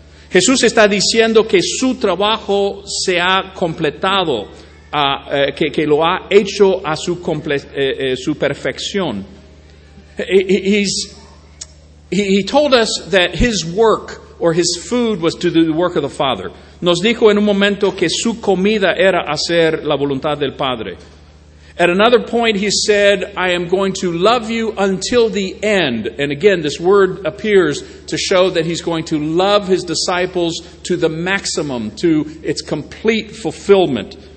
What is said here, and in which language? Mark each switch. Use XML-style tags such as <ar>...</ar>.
<es>Jesús está diciendo que su trabajo se ha completado, que lo ha hecho a su perfección.</es> <en>He told us that his work or his food was to do the work of the Father.</en> <es>Nos dijo en un momento que su comida era hacer la voluntad del Padre.</es> <en>At another point, he said, "I am going to love you until the end." And again, this word appears to show that he's going to love his disciples to the maximum, to its complete fulfillment.</en>